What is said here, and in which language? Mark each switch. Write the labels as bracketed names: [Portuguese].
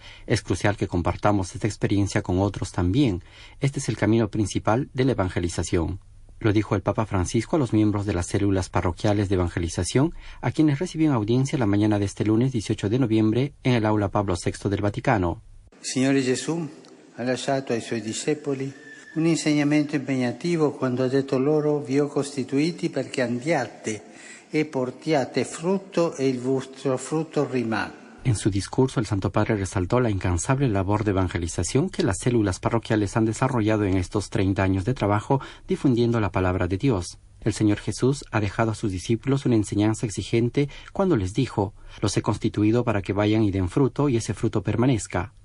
[Spanish] Es crucial que compartamos esta experiencia con otros también. Este es el camino principal de la evangelización. Lo dijo el Papa Francisco a los miembros de las células parroquiales de evangelización, a quienes recibió en audiencia la mañana de este lunes 18 de noviembre en el aula Pablo VI del Vaticano. [Italian] Señor Jesús, ha lasciato ai suoi discepoli un insegnamento impegnativo quando ha detto loro vi ho costituiti perché andiate e portiate frutto e il vostro frutto rimane. [Spanish] En su discurso, el Santo Padre resaltó la incansable labor de evangelización que las células parroquiales han desarrollado en estos 30 años de trabajo difundiendo la palabra de Dios. El Señor Jesús ha dejado a sus discípulos una enseñanza exigente cuando les dijo: «Los he constituido para que vayan y den fruto, y ese fruto permanezca».